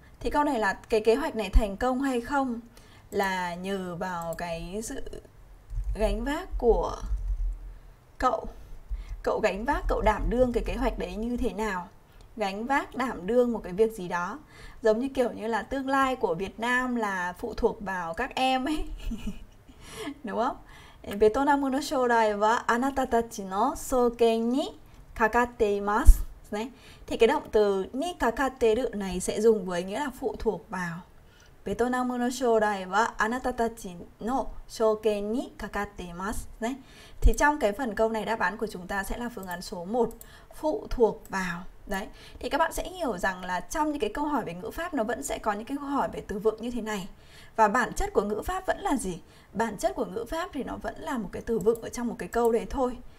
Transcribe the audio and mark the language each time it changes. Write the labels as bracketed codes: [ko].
[vi] Thì câu này là cái kế hoạch này thành công hay không là nhờ vào cái sự gánh vác của cậu. Cậu gánh vác, cậu đảm đương cái kế hoạch đấy như thế nào? Gánh vác, đảm đương một cái việc gì đó. Giống như kiểu như là tương lai của Việt Nam là phụ thuộc vào các em ấy. Đúng không? [ja] Việt Nam の将来はあなたたちの双肩にかかっています。 [vi] Đấy. Thì cái động từ ni kakateru này sẽ dùng với nghĩa là phụ thuộc vào. [ja] Việt Nam の将来はあなたたちの双肩にかかっています。 [vi] Đấy. Thì trong cái phần câu này đáp án của chúng ta sẽ là phương án số 1, phụ thuộc vào. Đấy. Thì các bạn sẽ hiểu rằng là trong những cái câu hỏi về ngữ pháp nó vẫn sẽ có những cái câu hỏi về từ vựng như thế này. Và bản chất của ngữ pháp vẫn là gì? Bản chất của ngữ pháp thì nó vẫn là một cái từ vựng ở trong một cái câu đấy thôi.